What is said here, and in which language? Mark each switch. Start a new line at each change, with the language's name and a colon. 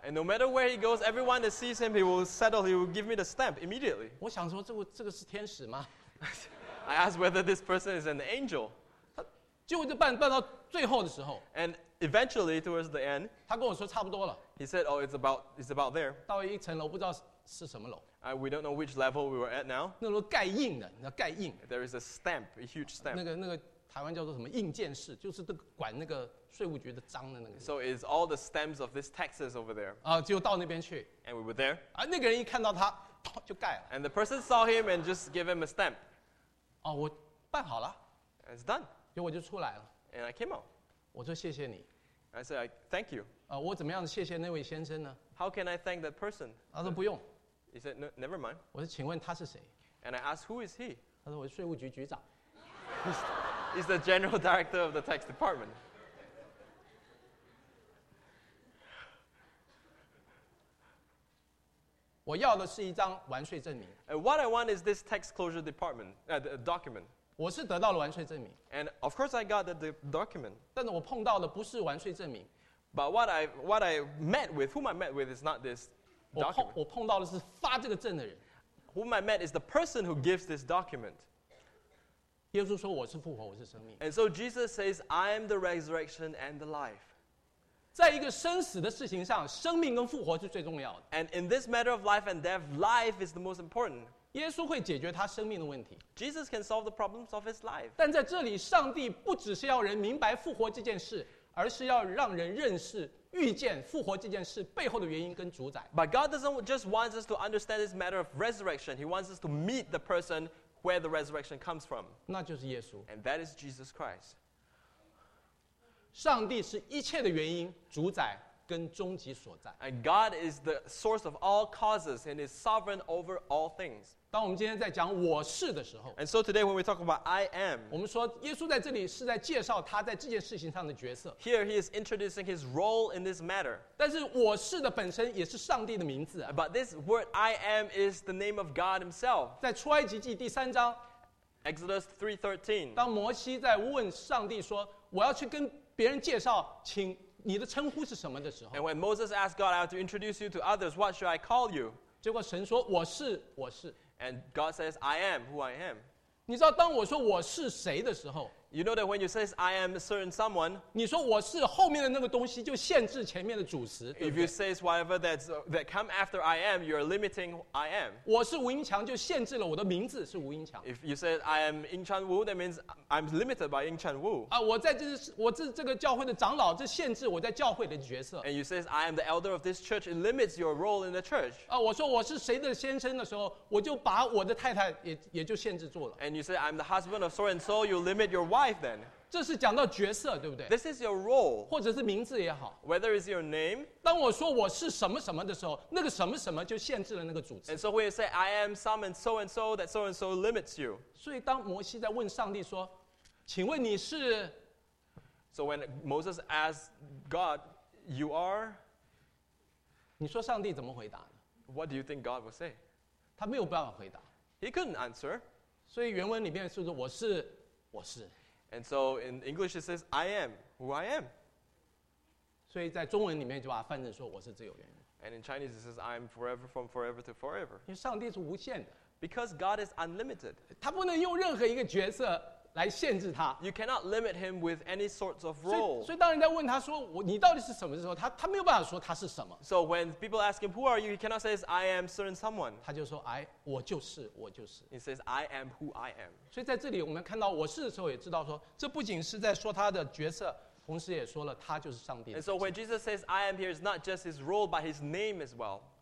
English: And no matter where he goes, everyone that sees him, he will settle. He will give me the stamp immediately.
Chinese: 我想说，这个是天使吗
English: ？I ask whether this person is an angel.
Chinese: 他结果就办到最后的时候。
English: And eventually, towards the end,
Chinese: 他跟我说差不多了。
English: He said, "Oh, it's about there."
Chinese: 到一层楼，不知道是什么楼。
English: We don't know which level we were at now.
Chinese: 那楼盖印的，那盖印。
English: There is a stamp, a huge stamp.
Chinese: 那个。台湾叫做什么印鉴室，就是管那个税务局的章的那个。
English: So it's all the stamps of this taxes over there.
Chinese: 就到那边去。
English: And we were there.
Chinese: 那个人一看到他，就盖了。
English: And the person saw him and just gave him a stamp.
Chinese: 我办好了。
English: It's done.
Chinese: 结果就出来了。
English: And I came out.
Chinese: 我说谢谢你。
English: I said thank you.
Chinese: 我怎么样谢谢那位先生呢
English: ？How can I thank that person?
Chinese: 他说不用。
English: He said no, never mind.
Chinese: 我说请问他是谁
English: ？And I asked who is he?
Chinese: 他说我是税务局局长。
English: He's the general director of the tax department. What I want is this tax closure department, the document.
Chinese: 我是得到了完税证明。
English: And of course I got the document.
Chinese: 但是我碰到的不是完税证明。
English: But whom I met with is not this document.
Chinese: 我碰到的是发这个证的人。
English: Whom I met is the person who gives this document.
Chinese: 耶稣说我是复活，我是生命。
English: And so Jesus says, I am the resurrection and the life.
Chinese: 在一个生死的事情上，生命跟复活是最重要的。
English: And in this matter of life and death, life is the most important.
Chinese: 耶稣会解决他生命的问题。
English: Jesus can solve the problems of his life.
Chinese: 但在这里，上帝不只是要人明白复活这件事，而是要让人认识遇见复活这件事背后的原因跟主宰。
English: But God doesn't just want us to understand this matter of resurrection. He wants us to meet the personWhere the resurrection comes from.
Chinese: 那就是耶稣。
English: And that is Jesus Christ.
Chinese: 上帝是一切的原因，主宰跟终极所在。
English: And God is the source of all causes and is sovereign over all things.
Chinese: 当我们今天在讲我是的时候。
English: And so today when we talk about I am.
Chinese: 我们说耶稣在这里是在介绍他在这件事情上的角色。
English: Here he is introducing his role in this matter.
Chinese: 但是我是的本身也是上帝的名字。
English: But this word I am is the name of God himself.
Chinese: 在出埃及记第三章。
English: Exodus 3:13.
Chinese: 当摩西在问上帝说我要去跟别人介绍请你的称呼是什么的时候
English: ？And when Moses asked God, "I have to introduce you to others. What should I call you?"
Chinese: 结果神说：“我是，我是。
English: ”And God says, "I am who I am."
Chinese: 你知道当我说我是谁的时候
English: ？You know that when you says I am a certain someone,
Chinese: 你说我是后面的那个东西就限制前面的主词。
English: If you says whatever that come after I am, you are limiting I am.
Chinese: 我是吴英强就限制了我的名字是吴英强。
English: If you say I am Ying Chan Wu, that means I'm limited by Ying Chan Wu.
Chinese: 我是这个教会的长老，这限制我在教会的角色。
English: And you says I am the elder of this church, it limits your role in the church.
Chinese: 我说我是谁的先生的时候，我就把我的太太也就限制住了。
English: And you say I'm the husband of so and so, you limit your wife then.
Chinese: 这是讲到角色，对不对
English: ？This is your role.
Chinese: 或者是名字也好。
English: Whether is your name.
Chinese: 当我说我是什么什么的时候，那个什么什么就限制了那个主词。
English: And so when you say I am some and so, that so and so limits you.
Chinese: 所以当摩西在问上帝说。请问你是
English: ？So when Moses asked God, "You are,"
Chinese: 你说上帝怎么回答呢
English: ？What do you think God would say?
Chinese: 他没有办法回答。
English: He couldn't answer.
Chinese: 所以原文里面是我是我是。
English: And so in English it says I am who I am.
Chinese: 所以在中文里面就把它翻成说我是自由源。
English: And in Chinese it says I am forever from forever to forever.
Chinese: 因为上帝是无限的。
English: Because God is unlimited.
Chinese: 他不能用任何一个角色来限制他。
English: You cannot limit him with any sorts of role.
Chinese: 所以当人在问他说你到底是什么的时候，他没有办法说他是什么。
English: So when people ask him who are you, he cannot say I am certain someone.
Chinese: 他就说我就是我就是。
English: He says I am who I am.
Chinese: 所以在这里我们看到我是的时候，也知道说这不仅是在说他的角色，同时也说了他就是上帝。
English: And so when Jesus says I am here, it's not just his role but his name as well.